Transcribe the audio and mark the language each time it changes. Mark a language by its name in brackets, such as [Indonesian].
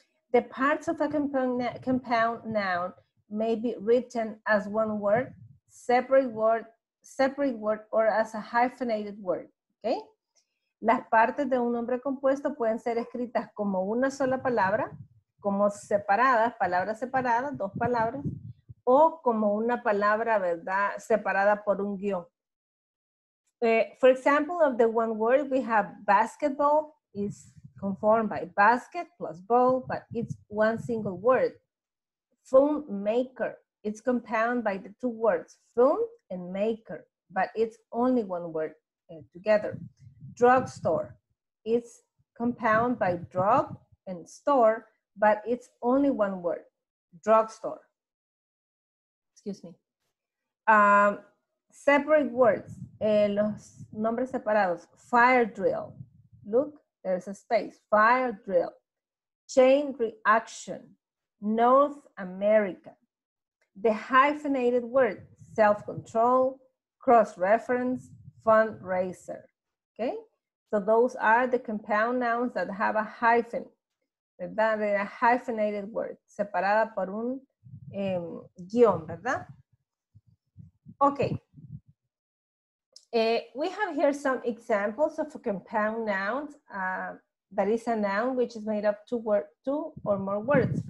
[English] The parts of a compound noun may be written as one word, separate word, or as a hyphenated word. Okay? [Spanish] Las partes de un nombre compuesto pueden ser escritas como una sola palabra, como separadas, palabras separadas, dos palabras, o como una palabra, ¿verdad?, separada por un guión. [English] For example, of the one word, we have basketball is conformed by basket plus ball, but it's one single word. Phone maker, it's compound by the two words, phone and maker, but it's only one word together. Drugstore, it's compound by drug and store, but it's only one word, drugstore. Excuse me. Separate words, [Spanish] los nombres separados. [English] Fire drill. Look, there's a space. Fire drill. Chain reaction. North America. The hyphenated word, self-control, cross-reference, fundraiser. Okay? So those are the compound nouns that have a hyphen. [Spanish] ¿Verdad? De la hyphenated word, separada por un guión, ¿verdad? [English] Okay. We have here some examples of a compound noun that is a noun which is made up two or more words.